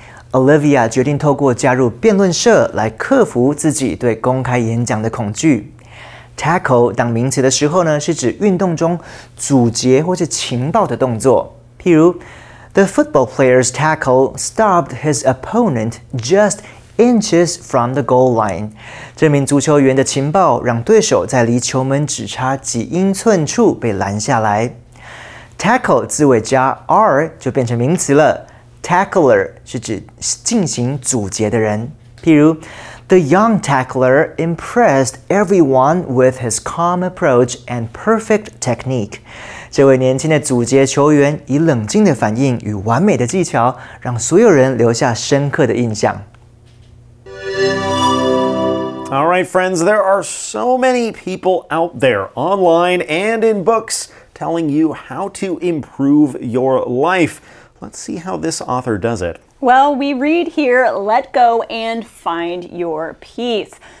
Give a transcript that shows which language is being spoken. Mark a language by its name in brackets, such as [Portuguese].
[Chinese] Olivia 决定透过加入辩论社来克服自己对公开演讲的恐惧。 Tackle 当名词的时候呢，是指运动中阻截或是擒抱的动作。譬如 [English] The football player's tackle stopped his opponent just inches from the goal line. [Chinese] 这名足球员的擒抱让对手在离球门只差几英寸处被拦下来。 Tackle 字尾加 r 就变成名词了。Tackler 是指进行阻截的人。譬如 [English] ，The young tackler impressed everyone with his calm approach and perfect technique. [Chinese] 这位年轻的阻截球员以冷静的反应与完美的技巧，让所有人留下深刻的印象。 [English] All right, friends, there are so many people out there online and in books. Telling you how to improve your life. Let's see how this author does it. Well, we read here, let go and find your peace.